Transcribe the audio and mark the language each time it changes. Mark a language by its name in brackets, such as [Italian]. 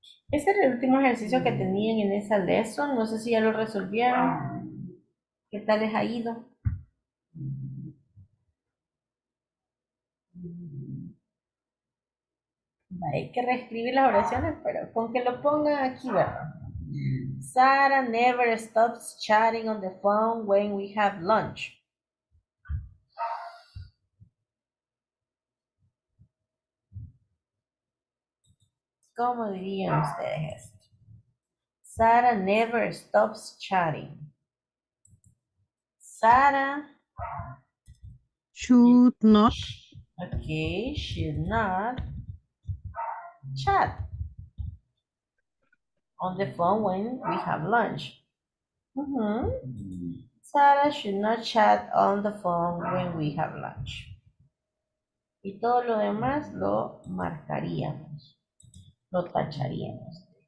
[Spanish] Ese era el último ejercicio que tenían en esa lesson. No sé si ya lo resolvieron. ¿Qué tal les ha ido? Hay que reescribir las oraciones, pero con que lo pongan aquí, ¿verdad? [English] Sara never stops chatting on the phone when we have lunch. [Spanish] ¿Cómo dirían ustedes esto? Sara [English] never stops chatting. [Spanish] Sara [English] should not. Okay, should not chat on the phone when we have lunch. Mm-hmm. Sara should not chat on the phone when we have lunch. [Spanish] Y todo lo demás lo marcaríamos, lo tacharíamos.